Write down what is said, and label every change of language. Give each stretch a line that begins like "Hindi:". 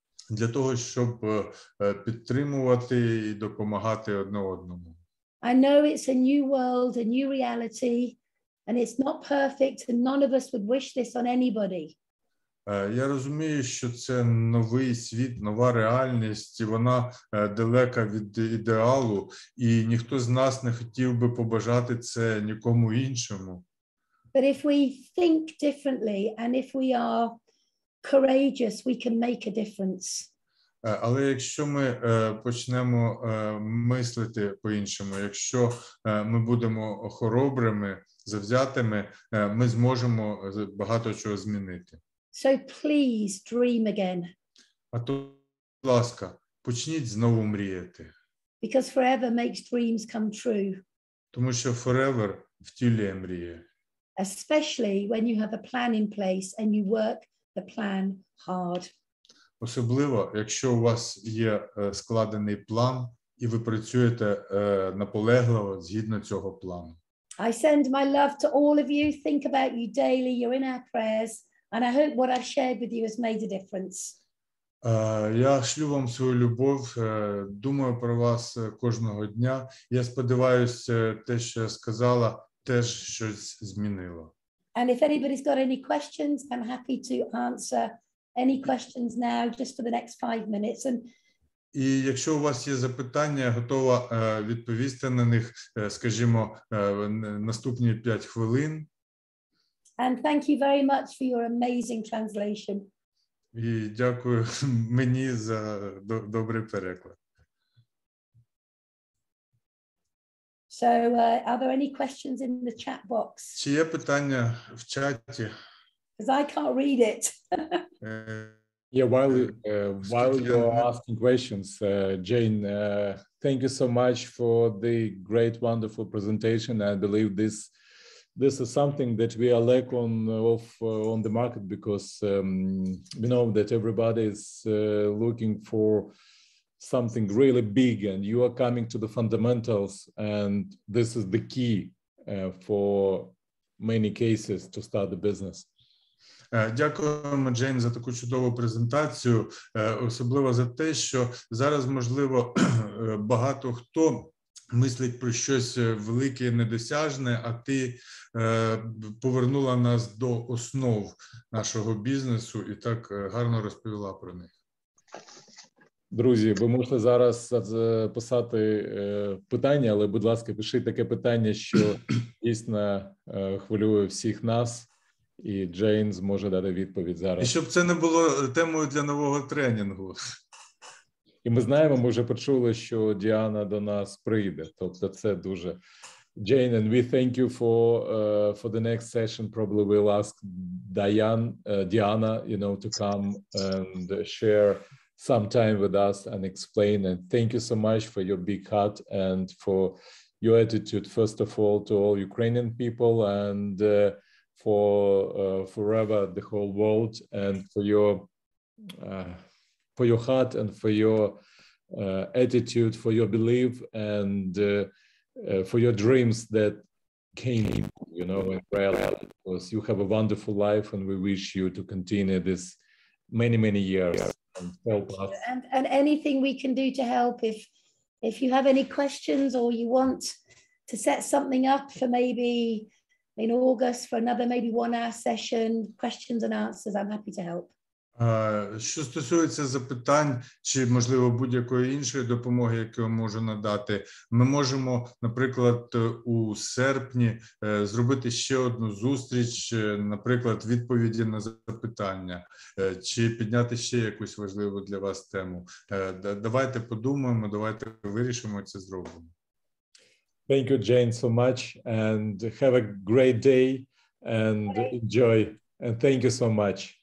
Ukrainian: Для того, щоб підтримувати і допомагати одне одному.
English: I know it's a new world, a new reality, and it's not perfect, and none of us would wish this on anybody.
Ukrainian: Я розумію, що це новий світ, нова реальність, і вона далека від ідеалу, і ніхто з нас не хотів би побажати це нікому іншому.
English: But if we think differently, and if we are courageous, we can make a difference.
Ukrainian: Але якщо ми почнемо мислити по-іншому, якщо ми будемо хоробрими, завзятими, ми зможемо багато чого змінити.
English: So please dream again.
Ukrainian: А то, будь ласка, почніть знову мріяти.
English: Because forever makes dreams come true.
Ukrainian: Тому що forever втілює мрії.
English: Especially when you have a plan in place and you work the plan hard.
Ukrainian: Особливо, якщо у вас є складений план і ви працюєте наполегливо згідно цього плану.
English: I send my love to all of you. Think about you daily. You're in our prayers, and I hope what I've shared with you has made a difference.
Ukrainian: Я шлю вам свою любов, думаю про вас кожного дня. Я сподіваюся, те, що я сказала, теж щось змінило.
English: And if anybody's got any questions, I'm happy to answer any questions now, just for the next 5 minutes. And
Ukrainian: і якщо у вас є запитання, готова відповісти на них, скажімо, наступні 5 хвилин.
English: And thank you very much for your amazing translation.
Ukrainian: І дякую мені за добрий переклад.
English: So, are there any questions in the chat box?
Ukrainian: Чи є питання в чаті?
English: Because I can't read it. Yeah, while you're asking questions, Jane, thank you so much for the great, wonderful presentation. I believe this is something that we are lacking on the market, because we know that everybody is looking for something really big, and you are coming to the fundamentals, and this is the key for many cases to start the business.
Ukrainian: Дякуємо, Джейн, за таку чудову презентацію, особливо за те, що зараз, можливо, багато хто мислить про щось велике і недосяжне, а ти повернула нас до основ нашого бізнесу і так гарно розповіла про них. Друзі, ви можете зараз писати питання, але, будь ласка, пишіть таке питання, що дійсно хвилює всіх нас. І Джейн зможе дати відповідь зараз. І щоб це не було темою для нового тренінгу. І ми знаємо, ми вже почули, що Діана до нас прийде. Тобто це дуже...
English: Джейн, and we thank you for the next session. Probably we'll ask Діана, you know, to come and share some time with us and explain. And thank you so much for your big heart and for your attitude, first of all, to all Ukrainian people and... for forever the whole world, and for your heart and for your attitude, for your belief and for your dreams that came, you know, in reality, because you have a wonderful life and we wish you to continue this many years and help us. And anything we can do to help, if you have any questions or you want to set something up for maybe in August for another maybe 1 hour session, questions and answers, I'm happy to help.
Ukrainian: Що стосується запитань чи, можливо, будь-якої іншої допомоги, яку я можу надати, ми можемо, наприклад, у серпні зробити ще одну зустріч, наприклад, відповіді на запитання, чи підняти ще якусь важливу для вас тему. Давайте подумаємо, давайте вирішимо це зробимо.
English: Thank you, Jane, so much, and have a great day, and enjoy, and thank you so much.